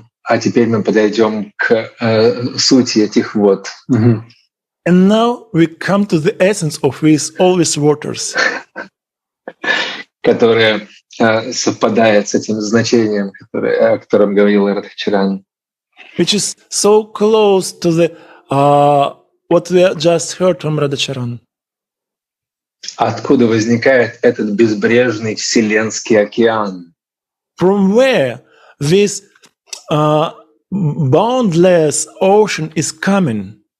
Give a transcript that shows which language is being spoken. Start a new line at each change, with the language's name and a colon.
Russian: А теперь мы подойдем к сути этих вод. Mm-hmm.
English: And now we come to the essence of these all these waters,
Russian: которая совпадает с этим значением, о котором говорил Радхачаран.
English: Which is so close to the what we just heard from Radhacharan.
Russian: Откуда возникает этот безбрежный вселенский океан?
English: From where this boundless ocean is coming?